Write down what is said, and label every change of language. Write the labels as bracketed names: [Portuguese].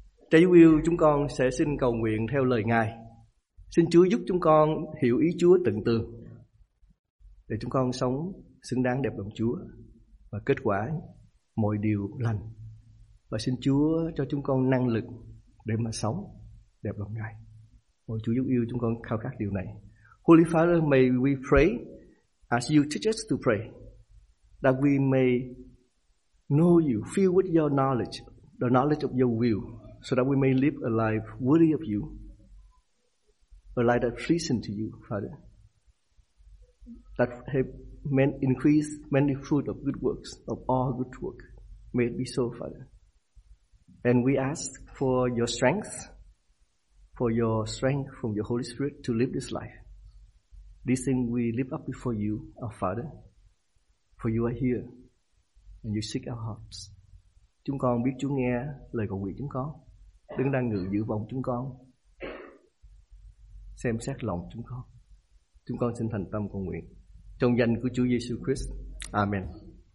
[Vietnamese] Trái yêu, chúng con sẽ xin cầu nguyện theo lời Ngài. Xin Chúa giúp chúng con hiểu ý Chúa tận tường, để chúng con sống xứng đáng đẹp lòng Chúa và kết quả mọi điều lành. Và xin Chúa cho chúng con năng lực để mà sống đẹp lòng Ngài. Mọi Chúa giúp yêu chúng con khao khát điều này. [English] Holy Father, may we pray as you teach us to pray, that we may know you, filled with your knowledge, the knowledge of your will, so that we may live a life worthy of you, a life that pleases to you, Father, that have meant increase many fruit of good works, of all good work. May it be so, Father. And we ask for your strength from your Holy Spirit to live this life. This thing we lift up before you, our Father, for you are here and you seek our hearts. [Vietnamese] Chúng con biết Chúa nghe lời cầu nguyện chúng con. Đứng đang ngự giữ vòng chúng con, xem xét lòng chúng con. Chúng con xin thành tâm cầu nguyện trong danh của Chúa Giêsu Christ. Amen.